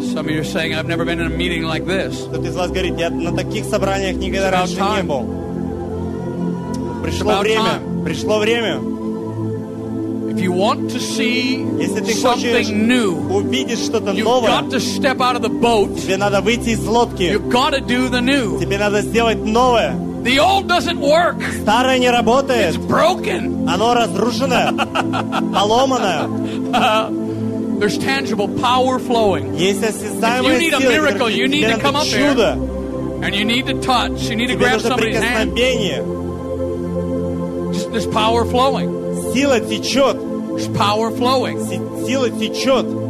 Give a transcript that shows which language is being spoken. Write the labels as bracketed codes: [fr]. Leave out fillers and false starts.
[en] You're saying I've never been in a meeting like this. [ru] Кто-то из вас говорит, я на таких собраниях никогда раньше не был. Пришло время. Пришло время. [en] If you want to see something new, [ru] увидеть что-то новое, [en] you've got to step out of the boat. [ru] Тебе надо выйти из лодки. [en] You've got to do the new. [ru] Тебе надо сделать новое. [en] The old doesn't work. [ru] Старое не работает. [en] It's broken. [ru] Оно разрушенное, поломанное. [en] There's tangible power flowing. If you need a miracle, you need to come up here. And you need to touch. You need to grab somebody's hand. There's power flowing. [ru] Сила течет. [en] There's power flowing. [ru] Сила течет.